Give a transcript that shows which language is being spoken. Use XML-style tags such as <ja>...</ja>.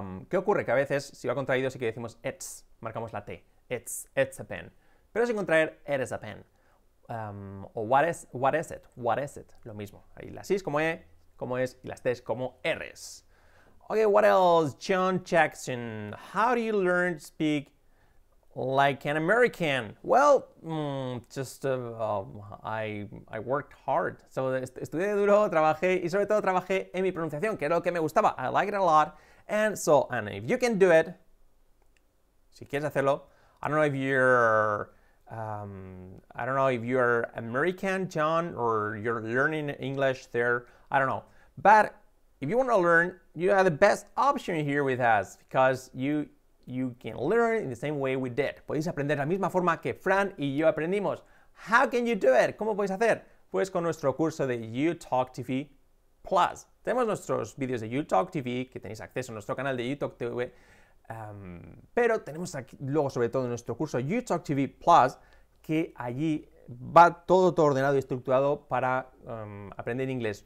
<es>¿Qué ocurre? Que a veces, si va contraído, sí que decimos ets. Marcamos la T.</es> <en>It's a pen.</en> <es>Pero sin contraer,</es> <en>it is a pen. O what is it? What is it?</en> <es>Lo mismo. Ahí las I's como es, y las T's como R's.</es> <en>Okay, what else? John Jackson. How do you learn to speak like an American? Well, I worked hard.</en> <es>So, estudié duro, trabajé, y sobre todo trabajé en mi pronunciación, que era lo que me gustaba.</es> <en>I like it a lot. And if you can do it,</en> <es>si quieres hacerlo,</es> <en>I don't know if you're American, John, or you're learning English there. I don't know. But if you want to learn, you have the best option here with us because you can learn in the same way we did.</en> <es>Podéis aprender la misma forma que Fran y yo aprendimos.</es> <en>How can you do it?</en> <es>¿Cómo podéis hacer? Pues con nuestro curso de YouTalk TV Plus. Tenemos nuestros vídeos de YouTalk TV que tenéis acceso a nuestro canal de YouTalk TV. Pero tenemos aquí, luego sobre todo nuestro curso YouTalk TV Plus, que allí va todo ordenado y estructurado para aprender inglés.</es>